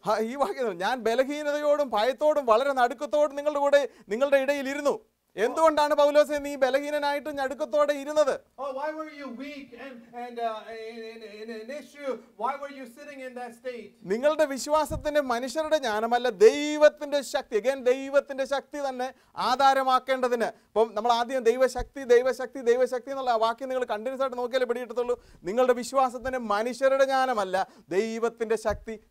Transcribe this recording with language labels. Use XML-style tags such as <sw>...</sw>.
<ml>ഈ വാക്യം ഞാൻ ബലഹീനതയോടും ഭയത്തോടും വളരെ നടുക്കത്തോടും നിങ്ങളുടെ കൂടെ നിങ്ങളുടെ ഇടയിൽ ഇരുന്നു. എന്തുകൊണ്ടാണ് പൗലോസെ നീ ബലഹീനനായിട്ട് ഞടുക്കത്തോടെ ഇരുന്നത്?</ml> <en>Oh, why were you weak and in an issue? Why were you sitting in that state?</en> <ml>നിങ്ങളുടെ വിശ്വാസത്തിന്റെ മനുഷ്യരുടെ ജ്ഞാനമല്ല, ദൈവത്തിന്റെ ശക്തി. അഗൈൻ, ദൈവത്തിന്റെ ശക്തി തന്നെ ആധാരമാക്കേണ്ടതിന്. ഇപ്പം നമ്മൾ ആദ്യം ദൈവശക്തി എന്നുള്ള വാക്യം നിങ്ങൾ കണ്ടിന്യൂസ് ആയിട്ട് നോക്കിയാലേ പിടികിട്ടത്തുള്ളൂ. നിങ്ങളുടെ വിശ്വാസത്തിന്റെ മനുഷ്യരുടെ ജ്ഞാനമല്ല, ദൈവത്തിന്റെ ശക്തി.</ml>